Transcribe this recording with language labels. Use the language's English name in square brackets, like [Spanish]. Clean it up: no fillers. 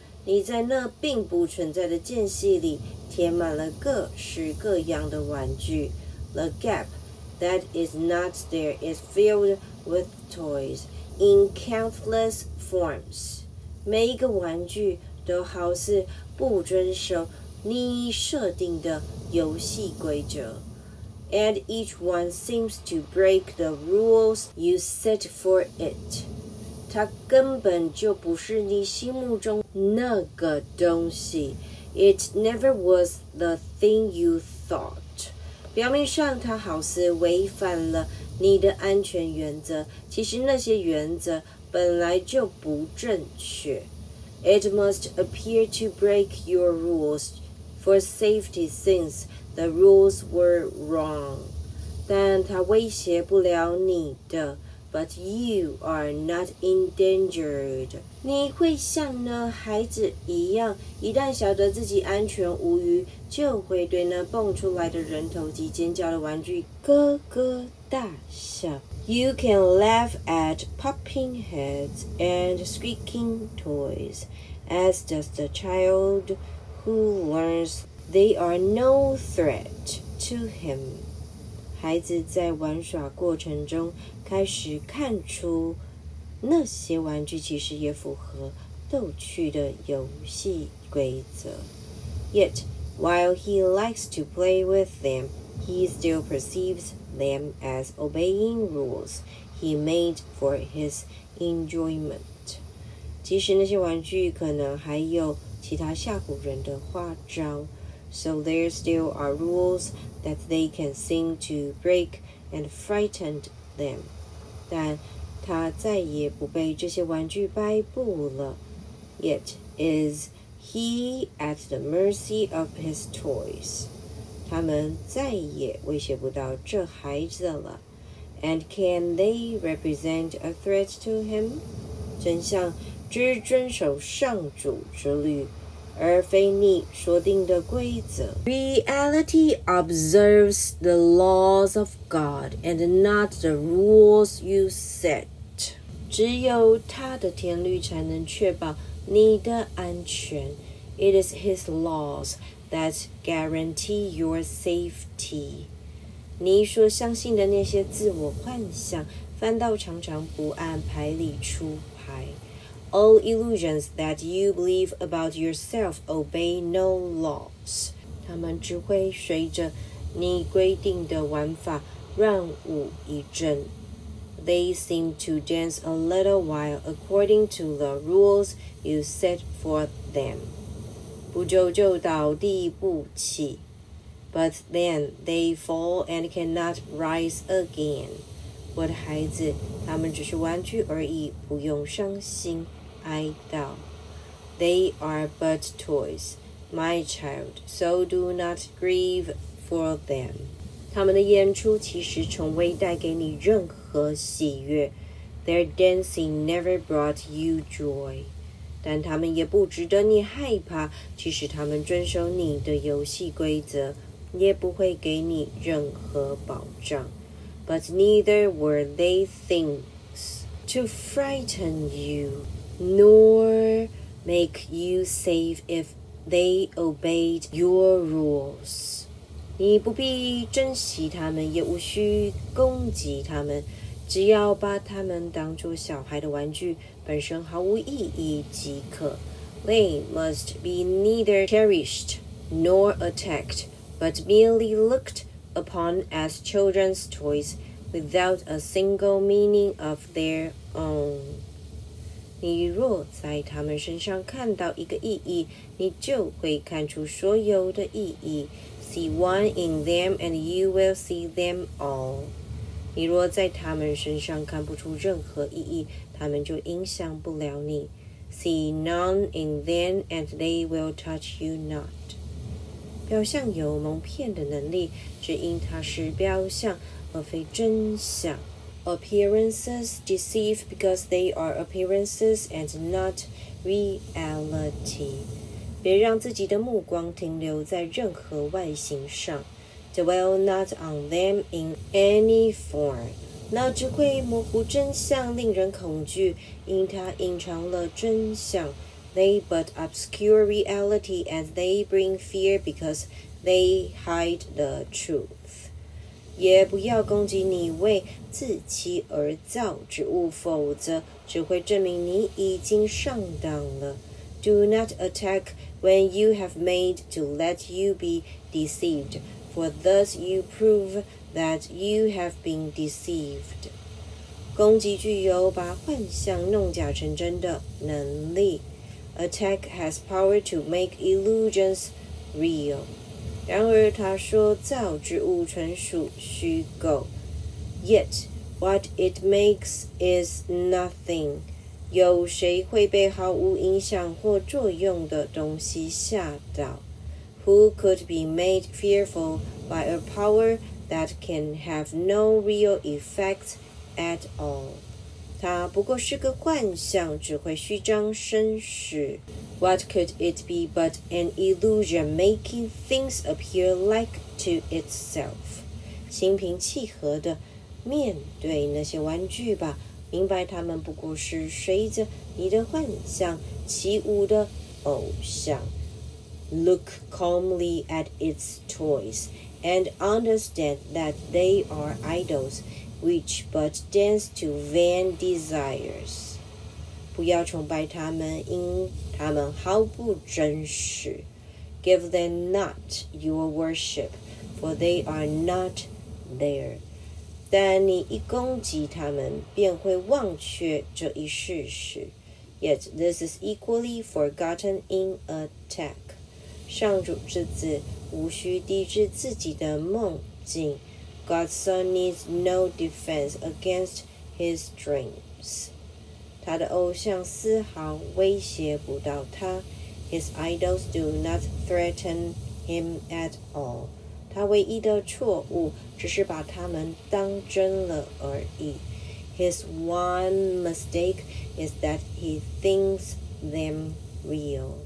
[Chinese] 你在那并不存在的间隙里填满了各式各样的玩具。 [English] The gap that is not there is filled with toys in countless forms. [Chinese] 每一个玩具都好似不遵守你设定的游戏规则。 [English] And each one seems to break the rules you set for it. [Chinese] 它根本就不是你心目中那个东西， [English] It never was the thing you thought. [Chinese] 表面上它好似违反了你的安全原则，其实那些原则本来就不正确。 [English] It must appear to break your rules for safety since the rules were wrong. [Chinese] 但它威胁不了你的。 [English] But you are not endangered. [Chinese] 你会像呢孩子一样，一旦晓得自己安全无虞，就会对那蹦出来的人头及尖叫的玩具咯咯大笑。 [English] You can laugh at popping heads and squeaking toys, as does the child who learns they are no threat to him. [Chinese] 孩子在玩耍过程中开始看出那些玩具其实也符合逗趣的游戏规则。 [English] Yet, while he likes to play with them, he still perceives them as obeying rules he made for his enjoyment. [Chinese] 即使那些玩具可能还有其他吓唬人的花招， [English] so there still are rules that they can seem to break and frighten them. [Chinese] 但他再也不被这些玩具摆布了。 [English] Yet is he at the mercy of his toys. [Chinese] 他们再也威胁不到这孩子了。 [English] And can they represent a threat to him? [Chinese] 真相只遵守上主之律，而非你说定的规则。 [English] Reality observes the laws of God and not the rules you set. [Chinese] 只有他的天律才能确保你的安全。 [English] It is his laws that guarantee your safety. [Chinese] 你所相信的那些自我幻想，反倒常常不按牌理出牌。 [English] All illusions that you believe about yourself obey no laws. [Chinese] 他们只会随着你规定的玩法乱舞一阵。 [English] They seem to dance a little while according to the rules you set for them. [Chinese] 不久就倒地不起。 [English] But then they fall and cannot rise again. [Chinese] 我的孩子，他们只是玩具而已，不用伤心。 [English] I doubt. They are but toys, my child, so do not grieve for them. [Chinese] 他们的演出其实从未带给你任何喜悦。 [English] Their dancing never brought you joy. [Chinese] 但他们也不值得你害怕，即使他们遵守你的游戏规则，也不会给你任何保障。 [English] But neither were they things to frighten you. Nor make you safe if they obeyed your rules. [Chinese] 你不必珍惜他们，也无需攻击他们，只要把他们当作小孩的玩具，本身毫无意义即可。 [English] They must be neither cherished nor attacked, but merely looked upon as children's toys without a single meaning of their own. [Chinese] 你若在他们身上看到一个意义，你就会看出所有的意义。 [English] See one in them and you will see them all. [Chinese] 你若在他们身上看不出任何意义，他们就影响不了你。 [English] See none in them and they will touch you not. [Chinese] 表象有蒙骗的能力，只因它是表象而非真相。 [English] Appearances deceive because they are appearances and not reality. [Chinese] 别让自己的目光停留在任何外形上。 [English] Dwell not on them in any form. [Chinese] 那只会模糊真相，令人恐惧，因它隐藏了真相。 [English] They but obscure reality and they bring fear because they hide the truth. [Chinese] 也不要攻击你为自欺而造之物，否则只会证明你已经上当了。 [English] Do not attack when you have made to let you be deceived, for thus you prove that you have been deceived. [Chinese] 攻击具有把幻象弄假成真的能力。 [English] Attack has power to make illusions real. [Chinese] 然而他说造之物纯属虚构。 [English] Yet, what it makes is nothing. [Chinese] 有谁会被毫无影响或作用的东西吓到？ [English] Who could be made fearful by a power that can have no real effect at all? [Chinese] 它不过是个幻象，只会虚张声势。 [English] What could it be but an illusion making things appear like to itself? [Chinese] 心平气和地面对那些玩具吧，明白它们不过是随着你的幻象起舞的偶像。 [English] Look calmly at its toys, and understand that they are idols, which but dance to vain desires. [Chinese] 不要崇拜他们，因他们毫不真实。 [English] Give them not your worship, for they are not there. [Chinese] 但你一攻击他们，便会忘却这一事实。 [English] Yet this is equally forgotten in attack. [Chinese] 上主之子无需抵制自己的梦境。 [English] God's son needs no defense against his dreams. [Chinese] 他的偶像丝毫威胁不到他。 [English] His idols do not threaten him at all. [Chinese] 他唯一的错误只是把他们当真了而已。 [English] His one mistake is that he thinks them real.